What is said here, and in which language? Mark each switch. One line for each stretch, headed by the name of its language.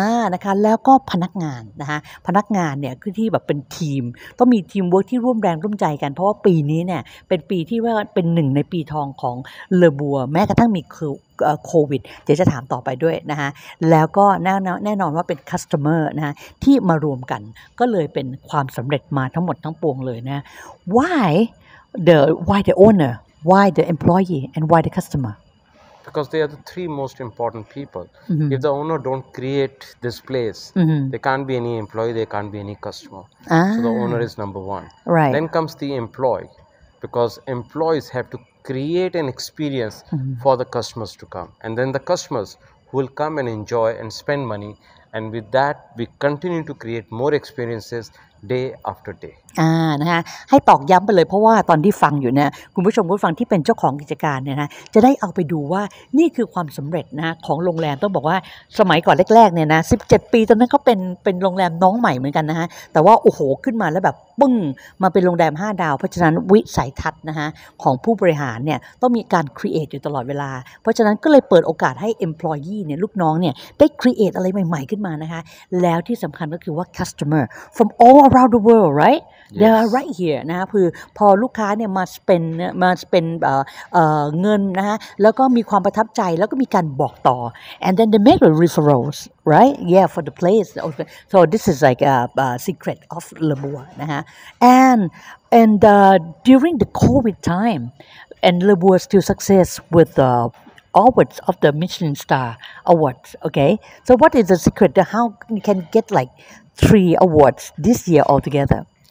Thai: นะคะแล้วก็พนักงานนะฮะพนักงานเนี่ยคือที่แบบเป็นทีมต้องมีทีมเวิร์คที่ร่วมแรงร่วมใจกันเพราะว่าปีนี้เนี่ยเป็นปีที่ว่าเป็นหนึ่งในปีทองของเลอบัวแม้กระทั่งมีคือโควิดเดี๋ยวจะถามต่อไปด้วยนะฮะแล้วก็แน่นอนว่าเป็นคัสโตเมอร์นะฮะที่มารวมกันก็เลยเป็นความสำเร็จมาทั้งหมดทั้งปวงเลยนะ
English: why the owner why the employee and why the customer because they are the three most important people mm-hmm. if the owner don't create this place mm-hmm. they can't be any employee they can't be any customer so the owner is number one right then comes the employee because employees have toCreate an experience mm-hmm. for the customers to come, and then the customers who will come and enjoy and spend money, and with that we continue to create more experiences day after day.
Thai: นะฮะให้ตอกย้ำไปเลยเพราะว่าตอนที่ฟังอยู่เนี่ยคุณผู้ชมผู้ฟังที่เป็นเจ้าของกิจการเนี่ยนะจะได้เอาไปดูว่านี่คือความสำเร็จนะของโรงแรมต้องบอกว่าสมัยก่อนแรกๆเนี่ยนะ17ปีตอนนั้นเขาเป็นโรงแรมน้องใหม่เหมือนกันนะฮะแต่ว่าโอ้โหขึ้นมาแล้วแบบปึ้งมาเป็นโรงแรม5ดาวเพราะฉะนั้นวิสัยทัศน์นะฮะของผู้บริหารเนี่ยต้องมีการครีเอทอยู่ตลอดเวลาเพราะฉะนั้นก็เลยเปิดโอกาสให้ employee เนี่ยลูกน้องเนี่ยได้ครีเอทอะไรใหม่ๆขึ้นมานะคะแล้วที่สำคัญก็คือว่า
English: customer from all around the world right yes. they are right here
Thai: นะคือพอลูกค้าเนี่ยมาสเปนเงินนะฮะแล้วก็มีความประทับใจแล้วก็มีการบอกต่อ
English: and then they make the referralsRight? Yeah, for the place. So this is like a secret of Labour, นะฮะ. And And during the COVID time, and Le Bois still success with the awards of the Michelin star awards. Okay, so what is the secret? How you can get like 3 awards this year altogether?